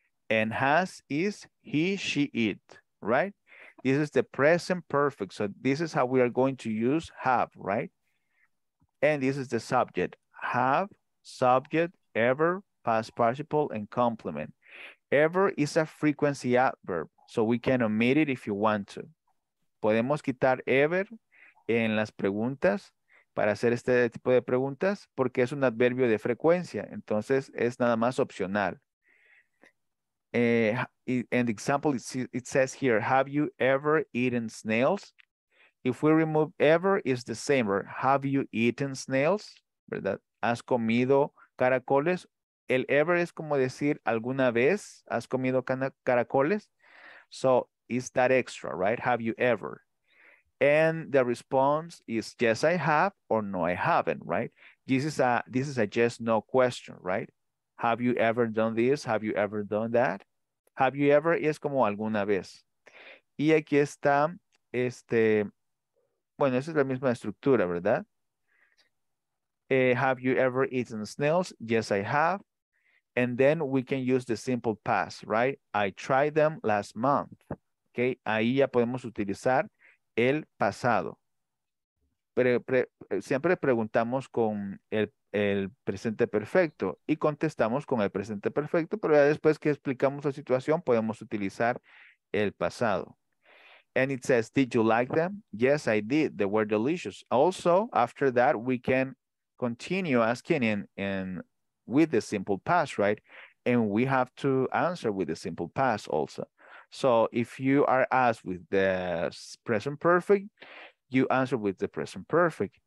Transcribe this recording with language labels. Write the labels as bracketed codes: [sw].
[en] And has is he, she, it, right? This is the present perfect. So this is how we are going to use have, right? And this is the subject, have, subject, ever, past participle, and complement. Ever is a frequency adverb, so we can omit it if you want to. [es] Podemos quitar ever en las preguntas para hacer este tipo de preguntas porque es un adverbio de frecuencia. Entonces, es nada más opcional. [en] And the example, it says here, have you ever eaten snails? If we remove ever, it's the same word. Have you eaten snails? [es] ¿Verdad? ¿Has comido caracoles? El ever es como decir, ¿alguna vez has comido caracoles? [en] So, it's that extra, right? Have you ever? And the response is yes, I have, or no, I haven't, right? This is a yes, no question, right? Have you ever done this? Have you ever done that? Have you ever? [es] Y es como alguna vez. Y aquí está, bueno, esa es la misma estructura, ¿verdad? [en] Have you ever eaten snails? Yes, I have. And then we can use the simple past, right? I tried them last month. Okay, [es] ahí ya podemos utilizar el pasado. Siempre preguntamos con el presente perfecto y contestamos con el presente perfecto, pero ya después que explicamos la situación, podemos utilizar el pasado. [en] And it says, did you like them? Yes, I did. They were delicious. Also, after that, we can continue asking in with the simple past, right? And we have to answer with the simple past also. So if you are asked with the present perfect, you answer with the present perfect.